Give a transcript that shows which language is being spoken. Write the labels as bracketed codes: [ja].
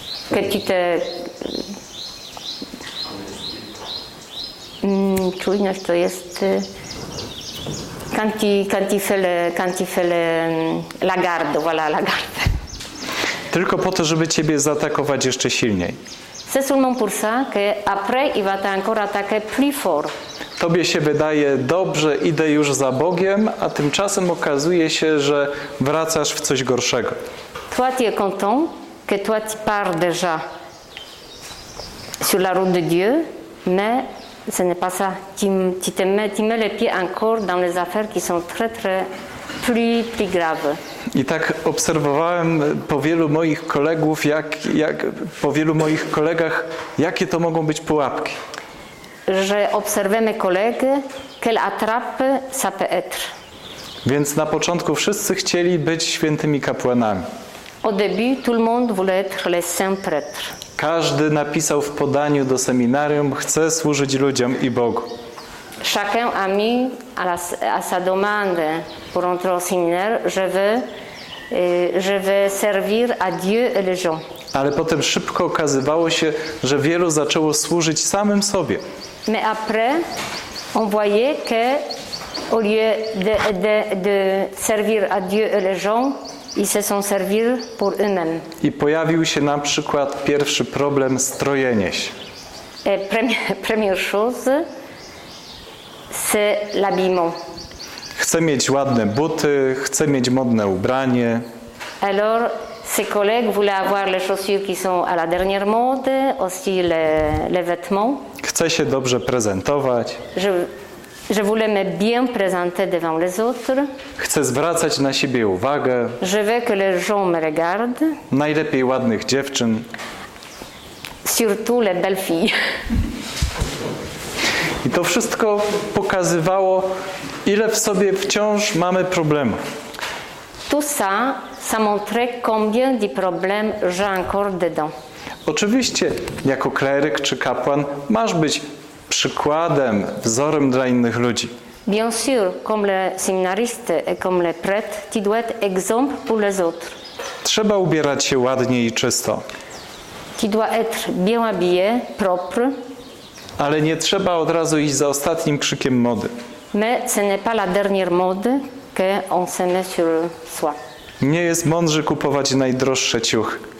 [fr] Que tu te [pl] czujność to jest [fr] quand tu fais la garde. [pl] Tylko po to, żeby ciebie zaatakować jeszcze silniej. [fr] C'est seulement pour ça que après il va encore attaquer plus fort. [pl] Tobie się wydaje, dobrze, idę już za Bogiem, a tymczasem okazuje się, że wracasz w coś gorszego. [fr] Toi tu es content que toi tu pars déjà sur la route de Dieu, mais ce n'est pas ça. Tu mets les pieds encore dans les affaires qui sont très très plus graves. [pl] I tak obserwowałem po wielu moich kolegów, jak po wielu moich kolegach, jakie to mogą być pułapki. Że obserwujemy kolegę, [fr] quelle attrape ça peut être. [pl] Więc na początku wszyscy chcieli być świętymi kapłanami. [fr] Au début, tout le monde voulait être le saint prêtre. [pl] Każdy napisał w podaniu do seminarium, chce służyć ludziom i Bogu. [fr] Chacun a mis à sa demande pour entrer au séminaire, je veux je vais servir à Dieu et les gens. [pl] Ale potem szybko okazywało się, że wielu zaczęło służyć samym sobie. [fr] Mais après, on voyait que au lieu de servir à Dieu et les gens, ils se sont servir pour eux-mêmes. [pl] I pojawił się na przykład pierwszy problem strojenie się. [fr] Et première chose, c'est l'habillement. [pl] Chcę mieć ładne buty, chcę mieć modne ubranie. [fr] Alors, ses collègues voulaient avoir les chaussures qui sont à la dernière mode, aussi les vêtements. [pl] Chcę się dobrze prezentować. [fr] Je voulais me bien présenter devant les autres. [pl] Chcę zwracać na siebie uwagę. [fr] Je veux que les gens me regardent. [pl] Najlepiej ładnych dziewczyn. [fr] Surtout les belles filles. [pl] I to wszystko pokazywało, ile w sobie wciąż mamy problemów. [fr] Tout ça, ça montre combien de problèmes j'ai encore dedans. [pl] Oczywiście, jako kleryk czy kapłan, masz być przykładem, wzorem dla innych ludzi. [fr] Bien sûr, comme le séminariste et comme le prêtre, tu dois être exemple pour les autres. [pl] Trzeba ubierać się ładnie i czysto. [fr] Tu dois être bien habillé, propre. [pl] Ale nie trzeba od razu iść za ostatnim krzykiem mody. [fr] Mais ce n'est pas la dernière mode que on se met sur soi. [pl] Nie jest mądrze kupować najdroższe ciuchy.